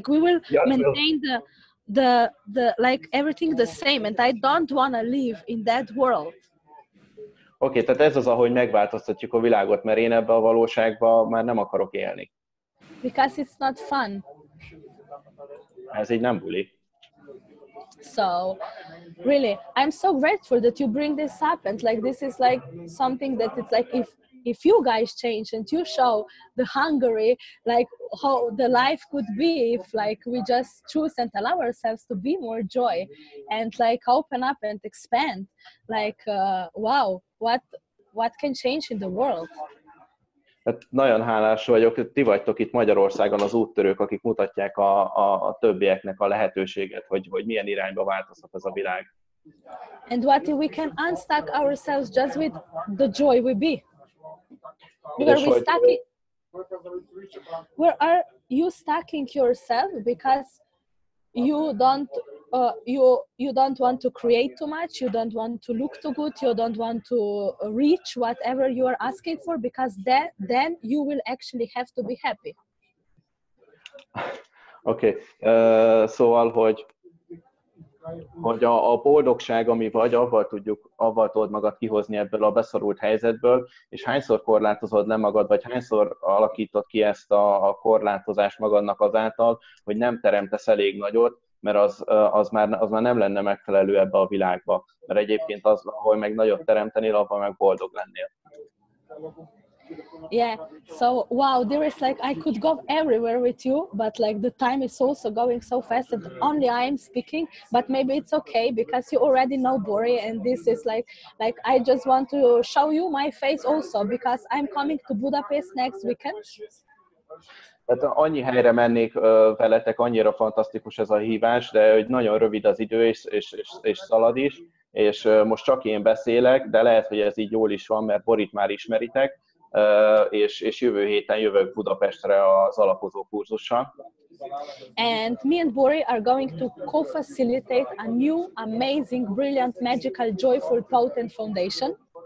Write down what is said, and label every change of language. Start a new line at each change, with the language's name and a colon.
English: Like we will maintain the like everything the same, and I don't want to live in that world.
Hungarian: Okay, tehát ez az, ahogy megváltoztatjuk a világot, mert én ebbe a valóságba már nem akarok élni.
English: Because it's not fun.
Hungarian: Ez így nem buli.
English: So, really, I'm so grateful that you bring this up, and like this is like something that it's like if you guys change and you show the hungry, like how the life could be if like we just choose and allow ourselves to be more joy and like open up and expand, like wow, what can change in the world?
Hungarian: Hát nagyon hálás vagyok, ti vagytok itt Magyarországon az úttörők, akik mutatják a többieknek a lehetőséget, hogy milyen irányba változhat ez a világ.
English: And what if we can unstuck ourselves just with the joy we be? Where are you stacking yourself because you don't want to create too much, you don't want to look too good, you don't want to reach whatever you are asking for, because then you will actually have to be happy.
Hungarian: Okay, szóval, hogy a boldogság, ami vagy, avval tudod magad kihozni ebből a beszorult helyzetből, és hányszor korlátozod le magad, vagy hányszor alakítod ki ezt a korlátozást magadnak azáltal, hogy nem teremtesz elég nagyot, mert az már nem lenne megfelelő ebbe a világba. Mert egyébként az, ahol meg nagyot teremtenél, abban meg boldog lennél.
English: Yeah, so wow, there is like I could go everywhere with you, but like the time is also going so fast that only I am speaking, but maybe it's okay because you already know Bori, and this is like I just want to show you my face also because I'm coming to Budapest next weekend.
Hungarian: Tehát annyi helyre mennék veletek, annyira fantasztikus ez a hívás, de hogy nagyon rövid az idő, és szalad is, és most csak én beszélek, de lehet, hogy ez így jól is van, mert Borit már ismeritek, és jövő héten jövök Budapestre az alapozó kurzussal.
English: And me and Bori are going to co-facilitate a new, amazing, brilliant, magical, joyful, potent foundation.